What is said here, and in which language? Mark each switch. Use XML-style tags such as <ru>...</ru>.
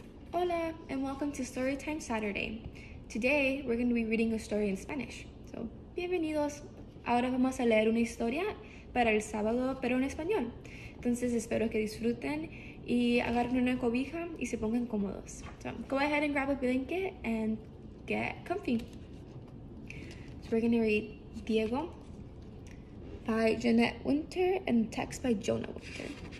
<en>Hola, and welcome to Storytime Saturday. Today, we're going to be reading a story in Spanish.</en> <es>So, bienvenidos. Ahora vamos a leer una historia para el sábado, pero en español. Entonces, espero que disfruten y agarren una cobija y se pongan cómodos.</es> <en>So, go ahead and grab a blanket and get comfy. So, we're going to read Diego by Jeanette Winter and text by Jonah Winter.</en>